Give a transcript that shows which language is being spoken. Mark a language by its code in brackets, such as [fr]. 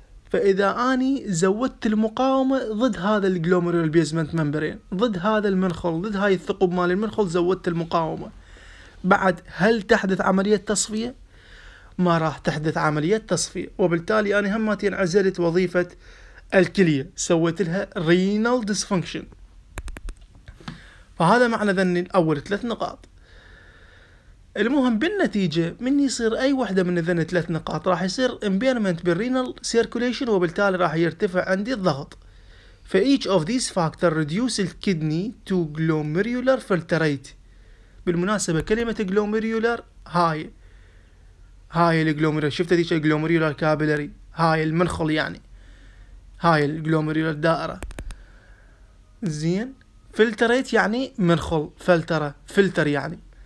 [ar] فإذا أني زودت المقاومة ضد هذا الجلوميرول بيزمنت ممبرين، ضد هذا المنخل، ضد هاي الثقوب مال المنخل، زودت المقاومة، بعد هل تحدث عملية تصفية؟ ما راح تحدث عملية تصفية، وبالتالي أنا هماتي انعزلت وظيفة الكلية، سويت لها رينال ديسفنكشن. فهذا معنى ذني الأول ثلاث نقاط. المهم بالنتيجة من يصير أي واحدة من ذن ثلاث نقاط راح يصير impairment بالرينال circulation، وبالتالي راح يرتفع عندي الضغط. [en] For each of these factors reduce the kidney to glomerular filtrate. [ar] بالمناسبة كلمة glomerular هاي الglomerular، شفت ذيك الglomerular capillary، هاي المنخل، يعني هاي الglomerular دائرة. زين، filtrate يعني منخل، filter يعني.